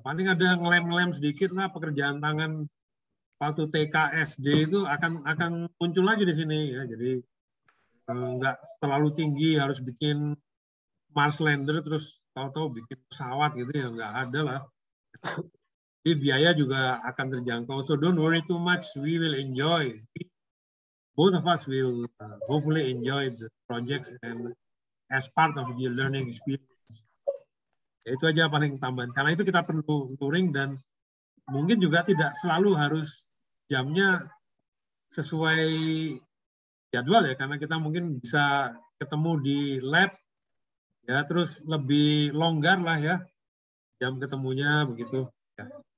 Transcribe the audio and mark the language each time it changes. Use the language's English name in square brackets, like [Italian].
[Indonesian] Paling ada ngelem-ngelem sedikit lah pekerjaan tangan waktu TK SD itu akan muncul lagi di sini ya. Jadi nggak terlalu tinggi harus bikin Mars lander terus tahu-tahu bikin pesawat gitu ya nggak ada lah. Jadi biaya juga akan terjangkau. [English] So don't worry too much. We will enjoy. Both of us will hopefully enjoy the projects and as part of the learning experience. [Indonesian] Ya, itu aja paling tambahan. Karena itu kita perlu touring dan mungkin juga tidak selalu harus jamnya sesuai jadwal ya. Karena kita mungkin bisa ketemu di lab ya terus lebih longgar lah ya jam ketemunya begitu. Ya.